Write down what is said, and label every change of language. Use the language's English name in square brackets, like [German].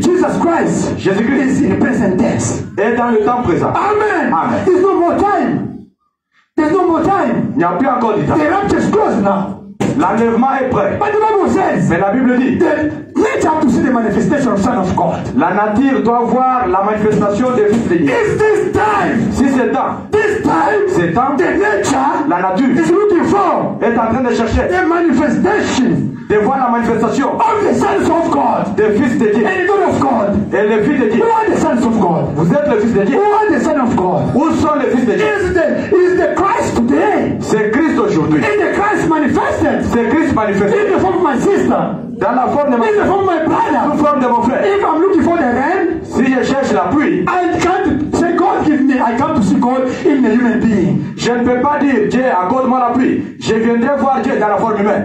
[English] Jesus Christ, [French] Jésus-Christ, [English] is in the present tense. [French] Est dans le temps présent. Amen. Amen. [English] It's no more time. There's no more time. [French] Il n'y a plus encore de temps. [English] The rapture is closed now. [French] L'enlèvement est prêt. [English] But the Bible says, [French] mais la Bible dit, [English] the nature has to see the manifestation of the Son of God. [French] La nature doit voir la manifestation des fils de Dieu. [English] Is this time? [French] Si c'est temps. [English] This time. [French] C'est temps. [English] The nature. [French] La nature. [English] Is looking for. [French] Est en train de chercher. [English] The manifestation. [French] De voir la manifestation. [English] Of the sons of God. [French] Des fils de Dieu. [English] And the daughter of God. [French] Et les fils de Dieu. [English] Who are the sons of God? [French] Vous êtes le fils de Dieu. [English] Who are the sons of God? [French] Où sont les fils de Dieu? [English] Is the Christ today? [French] C'est Christ aujourd'hui. [English] Is the Christ manifested? [French] C'est Christ manifesté. [English] In the form of my sister. [French] Dans la forme de ma sœur. [English] In the form of my brother. [French] Sous forme de mon frère. [English] If I'm looking for the rain. [French] Si je cherche la pluie. [English] I can't say God give me. I come to see God in the human being. [French] Je ne peux pas dire Dieu accorde-moi la pluie. Je viendrai voir Dieu dans la forme humaine.